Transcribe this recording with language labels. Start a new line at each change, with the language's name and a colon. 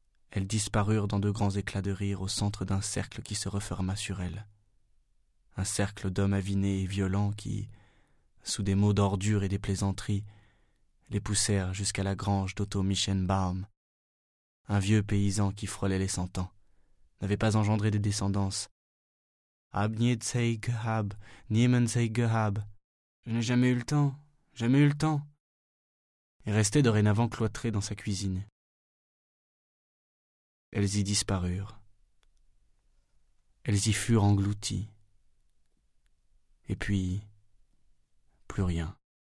French: Elles disparurent dans de grands éclats de rire au centre d'un cercle qui se referma sur elles. Un cercle d'hommes avinés et violents qui, sous des mots d'ordure et des plaisanteries, les poussèrent jusqu'à la grange d'Otto Michenbaum, un vieux paysan qui frôlait les 100 ans, n'avait pas engendré de descendance.
German: Hab nicht Zeit gehabt, niemand Zeit gehabt.
French: Je n'ai jamais eu le temps, jamais eu le temps. Et restait dorénavant cloîtré dans sa cuisine. Elles y disparurent. Elles y furent englouties. Et puis, plus rien.